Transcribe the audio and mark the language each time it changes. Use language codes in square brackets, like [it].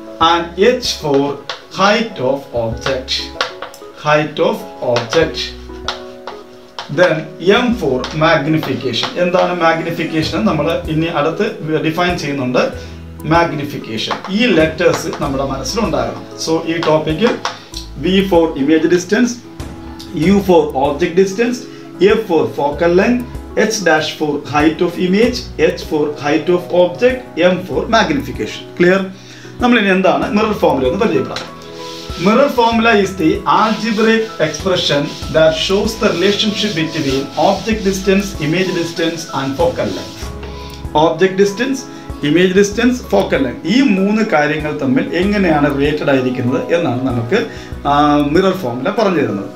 [en] And H for height of object, height of object. Then M for magnification, [ml] എന്താണ് magnification നമ്മൾ ഇനി അടുത്ത് define ചെയ്യുന്നുണ്ട്. മാഗ്നിഫിക്കേഷൻ, ഈ ലെറ്റേഴ്സ് നമ്മുടെ മനസ്സിലുണ്ടാകണം. [en] So ഈ topic V for image distance, U for object distance, F for focal length, H dash for height of image, H for height of object, M for magnification. Clear? [ml] നമ്മൾ ഇനി എന്താണ് mirror formula എന്ന് പറയപ്പെടുന്നത്. [en] Mirror formula is the algebraic expression that shows the relationship between object distance, image distance and focal length. [ml] Object distance, image distance, focal length, ഈ മൂന്ന് കാര്യങ്ങൾ തമ്മിൽ എങ്ങനെയാണ് റിലേറ്റഡ് ആയിരിക്കുന്നത് എന്നാണ് നമുക്ക് മിറർ ഫോർമുല പറഞ്ഞു തരുന്നത്.